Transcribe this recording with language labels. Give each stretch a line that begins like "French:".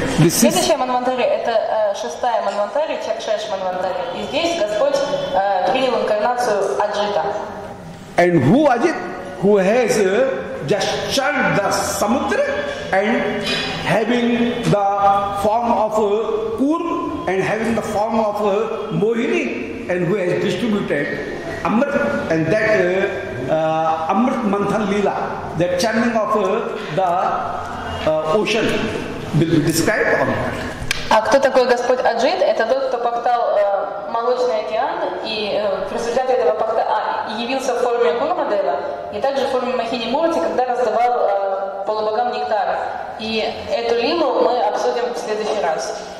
Russian: Следующая манвантари – это шестая манвантари, Чакшеш манвантари. И здесь Господь принял инкарнацию Аджита.
English: And who Ajit? Who has just charged the Samudra and having the form of Kurm and having the form of Mohini and who has distributed Amrit and that Amrit Manthan Leela, that churning of the ocean will be described on that.
Russian: А кто такой Господь Аджит? Это тот, кто пахтал молочный океан и в результате этого пахта явился в форме Гурмадева и также в форме Махини Мурти, когда раздавал полубогам нектар. И эту лилу мы обсудим в следующий раз.